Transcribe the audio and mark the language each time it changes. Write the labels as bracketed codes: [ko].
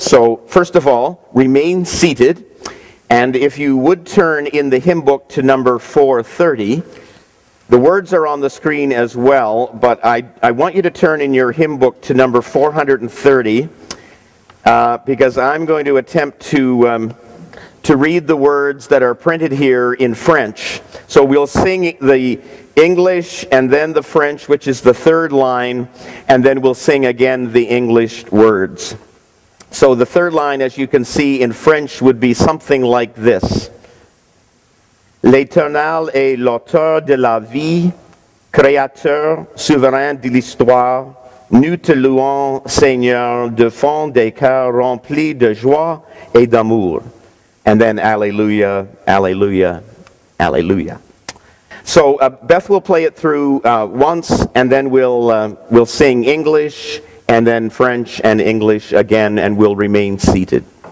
[en] So first of all, remain seated. And if you would turn in the hymn book to number 430, the words are on the screen as well, but I want you to turn in your hymn book to number 430 because I'm going to attempt to read the words that are printed here in French. So we'll sing the English and then the French, which is the third line, and then we'll sing again the English words. So the third line, as you can see in French, would be something like this. [fr] L'éternel est l'auteur de la vie, créateur souverain de l'histoire. Nous te louons, Seigneur, de fond des cœurs remplis de joie et d'amour. [en] And then alleluia, alleluia, alleluia. So Beth will play it through once, and then we'll sing English, and then French and English again, and we'll remain seated.